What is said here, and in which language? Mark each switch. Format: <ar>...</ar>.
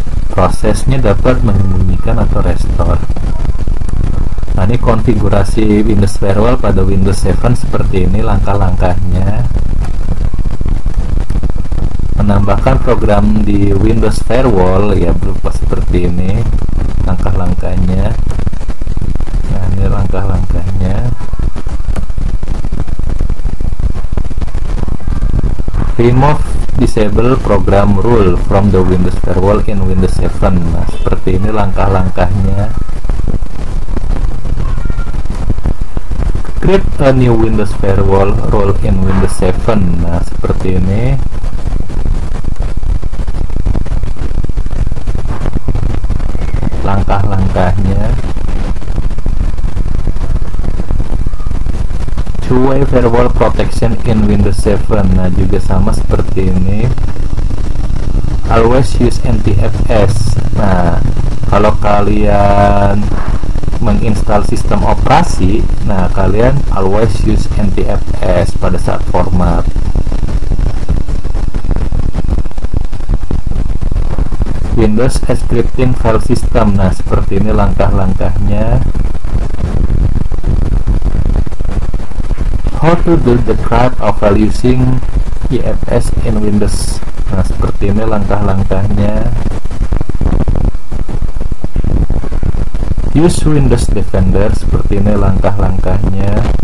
<id>Prosesnya dapat menyembunyikan atau restore. Nah, ini konfigurasi Windows firewall pada Windows 7 seperti ini langkah-langkahnya. Menambahkan program di Windows firewall ya berupa seperti ini langkah-langkahnya. Nah, ini langkah-langkahnya.</id> <en>Remove disable program rule from the Windows firewall in Windows 7.</en> <id>Nah, seperti ini langkah-langkahnya.</id> <en>Create a new Windows firewall rule in Windows 7.</en> <id>Nah, seperti ini. Langkah-langkahnya.</id> <en>Two-way firewall protection in Windows 7.</en> <id>Nah, juga sama seperti ini.</id> <en>Always use NTFS.</en> <id>Nah, kalau kalian menginstal sistem operasi, nah kalian always use NTFS pada saat format.</id> <en>Windows encrypting file system.</en> <id>Nah, seperti ini langkah-langkahnya.</id> <en>How to do the crack of file using EFS in Windows.</en> <id>Nah, seperti ini langkah-langkahnya.</id> <en>Use Windows Defender,</en> <id>seperti ini langkah-langkahnya.</id>